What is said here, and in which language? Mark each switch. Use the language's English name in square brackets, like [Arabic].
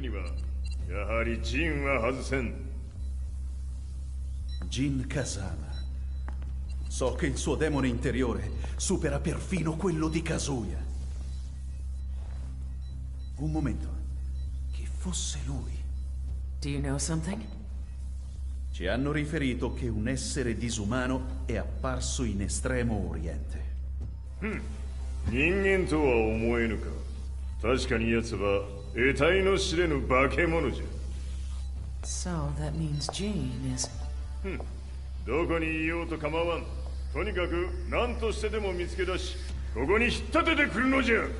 [Japanese] デビルという存在を世に知らしめ、わしの正当性を主張するには、やはりジンは外せん。 [English] Jin Kazama. [Italian] So che il suo demone interiore supera perfino quello di Kazuya. Un momento. Che fosse lui? [English] Do you know something? [Italian] Ci hanno riferito che un essere disumano è apparso in Estremo Oriente. [English] So that means Jin is... [Japanese] どこにいようと構わん。とにかく何としてでも見つけ出し、ここに引っ立ててくるのじゃ。